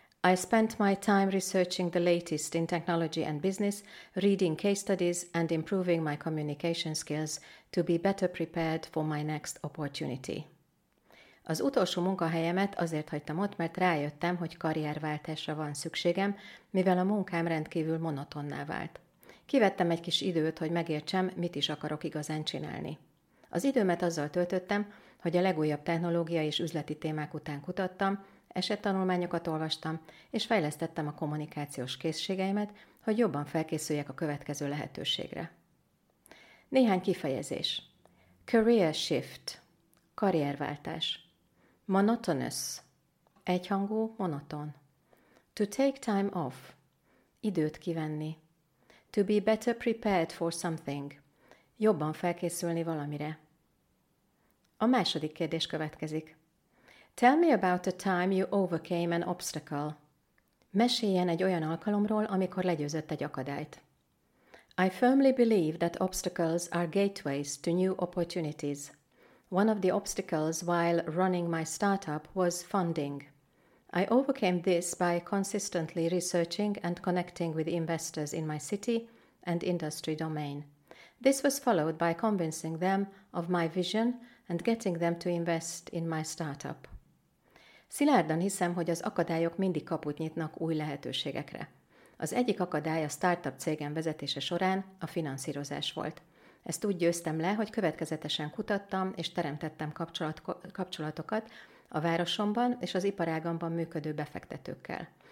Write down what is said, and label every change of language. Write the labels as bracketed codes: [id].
[en] I spent my time researching the latest in technology and business, reading case studies and improving my communication skills to be better prepared for my next opportunity. [hu] Az utolsó munkahelyemet azért hagytam ott, mert rájöttem, hogy karrierváltásra van szükségem, mivel a munkám rendkívül monotonná vált. Kivettem egy kis időt, hogy megértsem, mit is akarok igazán csinálni. Az időmet azzal töltöttem, hogy a legújabb technológiai és üzleti témák után kutattam, esettanulmányokat olvastam, és fejlesztettem a kommunikációs készségeimet, hogy jobban felkészüljek a következő lehetőségre. Néhány kifejezés. [en] Career shift. [hu] Karrierváltás. Monotonous. Egyhangú, monoton. [en] To take time off. [hu] Időt kivenni. [en] To be better prepared for something. [hu] Jobban felkészülni valamire. A második kérdés következik. [en] Tell me about the time you overcame an obstacle. [hu] Meséljen egy olyan alkalomról, amikor legyőzött egy akadályt. [en] I firmly believe that obstacles are gateways to new opportunities. One of the obstacles while running my startup was funding. I overcame this by consistently researching and connecting with investors in my city and industry domain. This was followed by convincing them of my vision and getting them to invest in my startup. [hu] Szilárdan hiszem, hogy az akadályok mindig kaput nyitnak új lehetőségekre. Az egyik akadály a startup cégem vezetése során a finanszírozás volt. Ezt úgy győztem le, hogy következetesen kutattam és teremtettem kapcsolatokat a városomban és az iparágamban működő befektetőkkel.